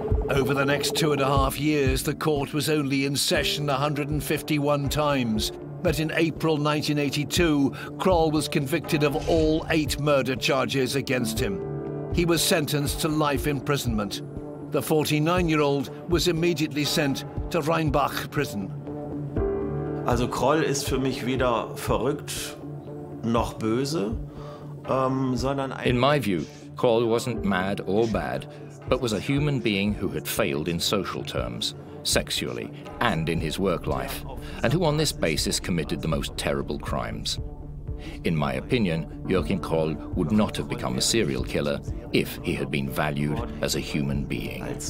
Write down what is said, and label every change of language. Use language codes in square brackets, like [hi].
[en] Over the next 2.5 years, the court was only in session 151 times. But in April 1982, Kroll was convicted of all 8 murder charges against him. He was sentenced to life imprisonment. The 49-year-old was immediately sent to Rheinbach prison. [de] Also Kroll ist für mich weder verrückt noch böse, sondern [en] in my view, Kroll wasn't mad or bad, but was a human being who had failed in social terms, sexually, and in his work life, and who on this basis committed the most terrible crimes. In my opinion, Joachim Kroll would not have become a serial killer if he had been valued as a human being.